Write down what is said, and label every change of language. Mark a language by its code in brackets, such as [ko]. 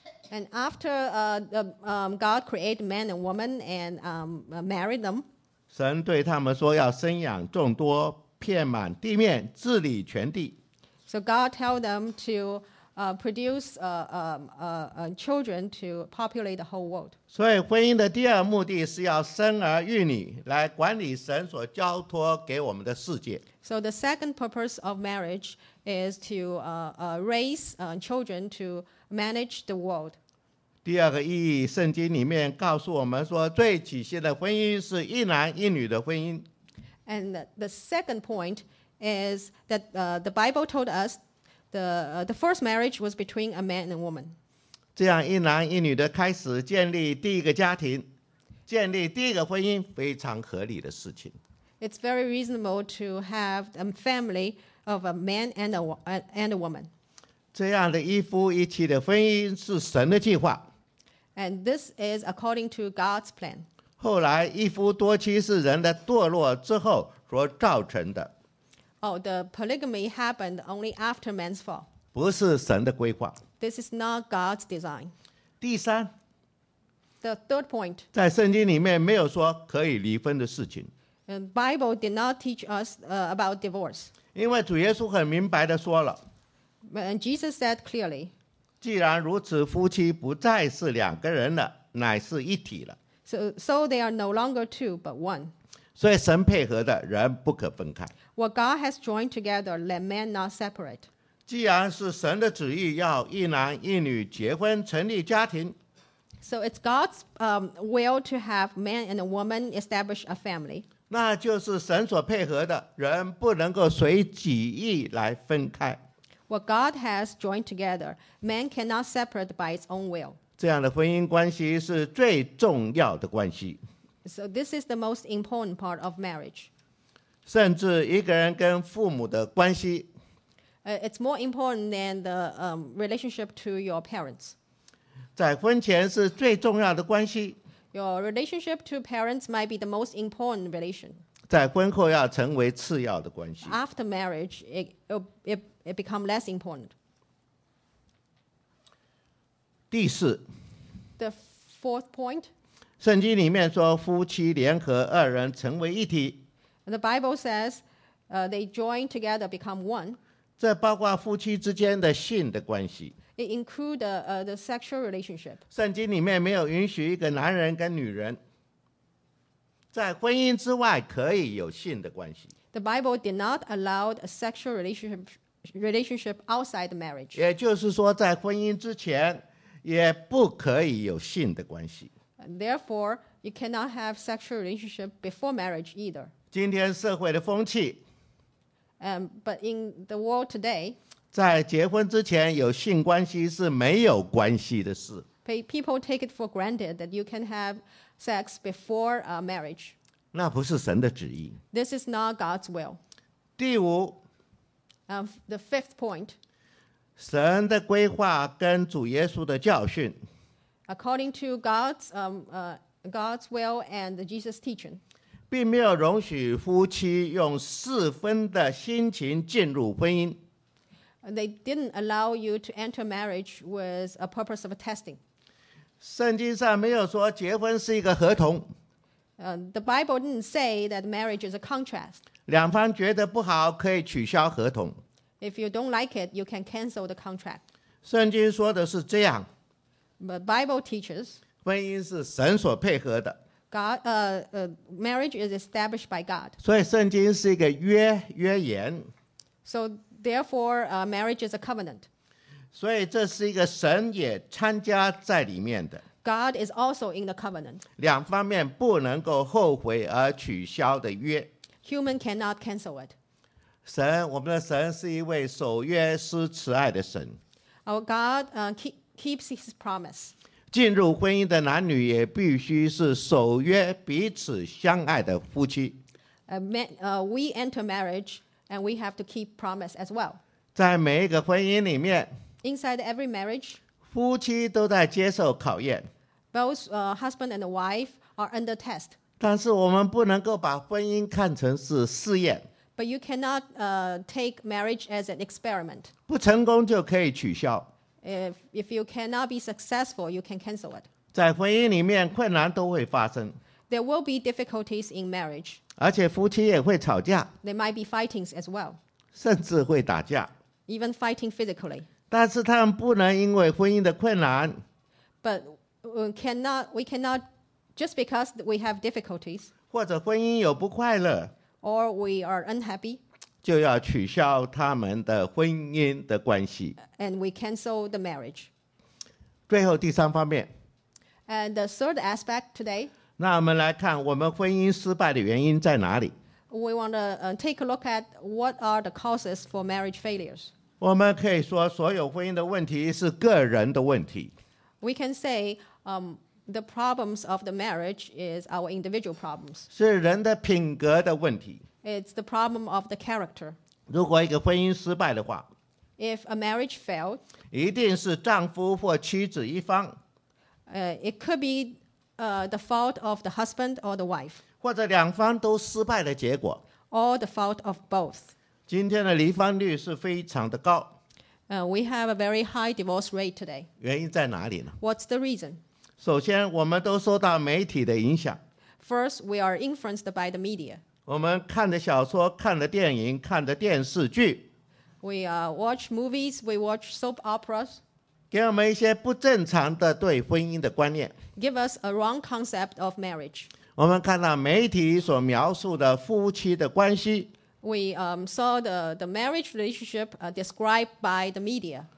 [en] And after God created man and woman and married them, [zh] 神对他们说要生养众多，遍满地面，治理全地。 [en] So God tell them to produce children to populate the whole world. [zh] 所以婚姻的第二目的是要生儿育女，来管理神所交托给我们的世界。 [en] So the second purpose of marriage is to raise children to manage the world. [zh] 第二个意义，圣经里面告诉我们说，最体现的婚姻是一男一女的婚姻。 [en] And the second point is that the Bible told us the first marriage was between a man and a woman. [zh] 这样一男一女的开始建立第一个家庭，建立第一个婚姻，非常合理的事情。 [en] It's very reasonable to have a family of a man and a woman. [zh] 这样的一夫一妻的婚姻是神的计划。 [en] And this is according to God's plan. [zh] 后来一夫多妻是人的堕落之后所造成的。 [en] Oh, the polygamy happened only after man's fall. [zh] 不是神的规划。 [en] This is not God's design. [zh] 第三。 [en] The third point. [zh] 在圣经里面没有说可以离婚的事情。 [en] The Bible did not teach us about divorce. [zh] 因为主耶稣很明白地说了。 [en] And Jesus said clearly, [zh] 既然如此，夫妻不再是两个人了，乃是一体了。 [en] So they are no longer two, but one. [zh] 所以神配合的人不可分开。 [en] What God has joined together, let man not separate. [zh] 既然是神的旨意要一男一女结婚成立家庭。 [en] So it's God's will to have man and a woman establish a family. [zh] 那就是神所配合的人不能够随己意来分开。 [en] What God has joined together, man cannot separate by its own will. [zh] 这样的婚姻关系是最重要的关系。 [en] So this is the most important part of marriage. [zh] 甚至一个人跟父母的关系。 [en] It's more important than the relationship to your parents. [zh] 在婚前是最重要的关系。 [en] Your relationship to parents might be the most important relation. [zh] 在婚后要成为次要的关系。 [en] After marriage, it become less important. [zh] 第四。 [en] The fourth point. [zh] 圣经里面说夫妻联合二人成为一体。 [en] The Bible says, they join together become one. [zh] 这包括夫妻之间的性的关系。 [en] It include the sexual relationship. [zh] 圣经里面没有允许一个男人跟女人在婚姻之外可以有性的关系。 [en] The Bible did not allow a sexual relationship outside marriage. [zh] 也就是说在婚姻之前也不可以有性的关系。 [en] Therefore, you cannot have sexual relationship before marriage either. [zh] 今天社会的风气。 [en] But in the world today, [zh] 在结婚之前有性关系是没有关系的事。 [en] People take it for granted that you can have sex before marriage. [zh] 那不是神的旨意。 [en] This is not God's will. [zh] 第五。 [en] The fifth point. [zh] 神的规划跟主耶稣的教训。 [en] According to God's will and Jesus' teaching. [zh] 并没有容许夫妻用四分的心情进入婚姻。 [en] They didn't allow you to enter marriage with a purpose of testing. [zh] 圣经上没有说结婚是一个合同。 [en] The Bible didn't say that marriage is a contract. [zh] 两方觉得不好可以取消合同。 [en] If you don't like it, you can cancel the contract. [zh] 圣经说的是这样。 [en] But Bible teaches. [zh] 婚姻是神所配合的。 [en] Marriage is established by God. [zh] 所以圣经是一个约言。 [en] So,Therefore, marriage is a covenant. [zh] 所以这是一个神也参加在里面的。 [en] God is also in the covenant. [zh] 两方面不能够后悔而取消的约。 [en] Human cannot cancel it. [zh] 神，我们的神是一位守约施慈爱的神。 [en] Our God keeps his promise. [zh] 进入婚姻的男女也必须是守约彼此相爱的夫妻。 [en] We enter marriage. And we have to keep promise as well. [zh] 在每一个婚姻里面 [en] Inside every marriage, [zh] 夫妻都在接受考验 [en] Both husband and wife are under test. [zh] 但是我们不能够把婚姻看成是试验 [en] But you cannot take marriage as an experiment. [zh] 不成功就可以取消 [en] If you cannot be successful, you can cancel it. [zh] 在婚姻里面困难都会发生 [en] There will be difficulties in marriage. [zh] 而且夫妻也会吵架 [en] They might be fighting as well [zh] 甚至会打架 [en] Even fighting physically [zh] 但是他们不能因为婚姻的困难 [en] But we cannot just because we have difficulties [zh] 或者婚姻有不快乐 [en] Or we are unhappy [zh] 就要取消他们的婚姻的关系 [en] And we cancel the marriage [zh] 最后第三方面 [en] And the third aspect today [zh] 那我们来看我们婚姻失败的原因在哪里 [en] We want to take a look at what are the causes for marriage failures. [zh] 我们可以说所有婚姻的问题是个人的问题。 [en] We can say the problems of the marriage is our individual problems. [zh] 是人的品格的问题。 [en] It's the problem of the character. [zh] 如果一个婚姻失败的话 [en] If a marriage failed, [zh] 一定是丈夫或妻子一方。 [en] It could beThe fault of the husband or the wife. [zh] 或者两方都失败的结果。 [en] Or the fault of both. [zh] 今天的离婚率是非常的高。 [en] We have a very high divorce rate today. [zh] 原因在哪里呢 [en] What's the reason? [zh] 首先我们都受到媒体的影响。 [en] First, we are influenced by the media. [zh] 我们看的小说看的电影看的电视剧。 [en] We watch movies, we watch soap operas. [zh] 给我们一些不正常的对婚姻的观念。 [en] Give us a wrong concept of marriage. [zh] 我们看到媒体所描述的夫妻的关系。 [en] We saw the marriage relationship described by the media.